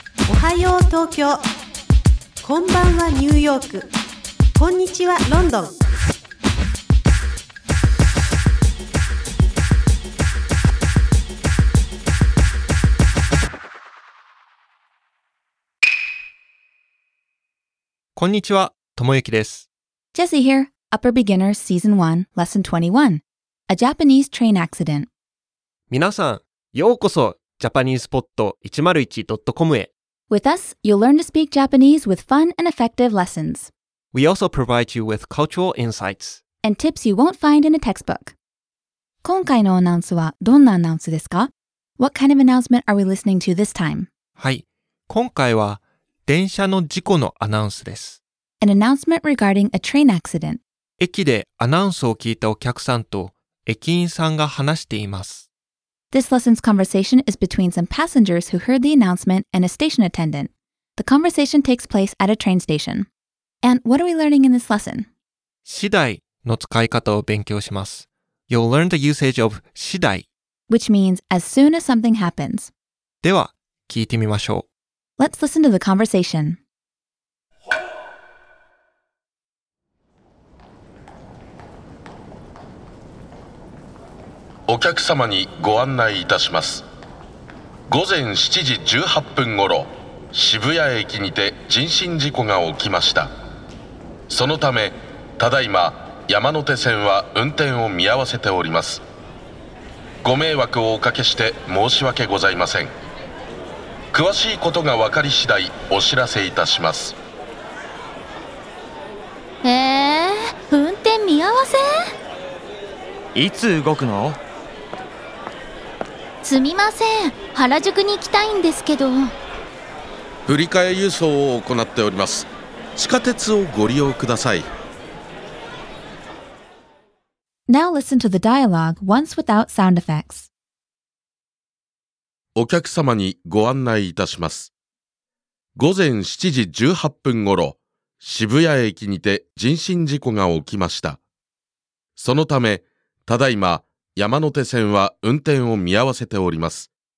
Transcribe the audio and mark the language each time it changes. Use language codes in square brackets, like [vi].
[ja] おはよう東京、こんばんはニューヨーク、こんにちはロンドン。こんにちは、ともゆきです。 [en] Jesse here, Upper Beginners Season 1, Lesson 21, A Japanese Train Accident. [ja] 皆さん、ようこそ、japanesepod101.com へ。 [en] With us, you'll learn to speak Japanese with fun and effective lessons. We also provide you with cultural insights. And tips you won't find in a textbook. [ja] 今回のアナウンスはどんなアナウンスですか? [en] What kind of announcement are we listening to this time? [ja] はい、今回は、電車の事故のアナウンスです。 [en] An announcement regarding a train accident. [ja] 駅でアナウンスを聞いたお客さんと駅員さんが話しています。 [en] This lesson's conversation is between some passengers who heard the announcement and a station attendant. The conversation takes place at a train station. And what are we learning in this lesson? [ja] 次第の使い方を勉強します。 [en] You'll learn the usage of 次第。 Which means as soon as something happens. [ja] では、聞いてみましょう。 [en] Let's listen to the conversation. [ja] お客様にご案内いたします。午前7時18分ごろ、渋谷駅にて人身事故が起きました。そのため、ただいま山手線は運転を見合わせております。ご迷惑をおかけして申し訳ございません。詳しいことが分かり次第お知らせいたします。運転見合わせ? いつ動くの? すみません、原宿に行きたいんですけど。振り替え輸送を行っております。地下鉄をご利用ください。 [en] Now listen to the dialogue once without sound effects. [ja] お客様にご案内いたします。午前7時18分ごろ、渋谷駅にて人身事故が起きました。そのため、ただいま山手線は運転を見合わせております。